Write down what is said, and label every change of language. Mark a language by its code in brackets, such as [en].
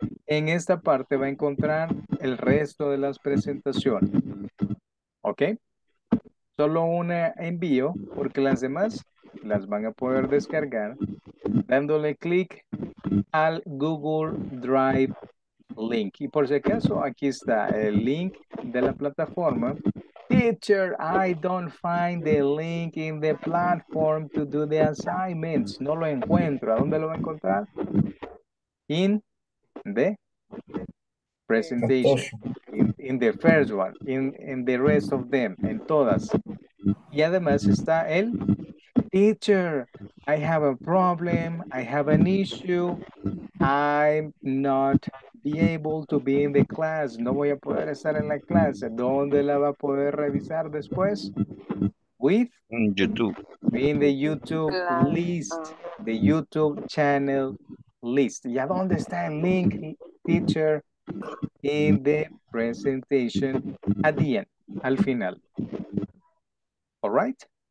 [es] En esta parte va a encontrar el resto de las presentaciones. ¿Ok? Solo un envío, porque las demás las van a poder descargar dándole clic al Google Drive link. Y por si acaso, aquí está el link de la plataforma. [en] Teacher, I don't find the link in the platform to do the assignments. [es] No lo encuentro. ¿A dónde lo va a encontrar? [en] In the presentation. In the first one. In the rest of them. [es] En todas. Y además está el [en] teacher, I have a problem. I have an issue. I'm not be able to be in the class. [es] No voy a poder estar en la clase. ¿Dónde la va a poder revisar después? With [en] YouTube. In the YouTube list. The YouTube channel list. [es] ¿Y a dónde está el link, teacher? [en] In the presentation at the end. [es] Al final. [en] All right?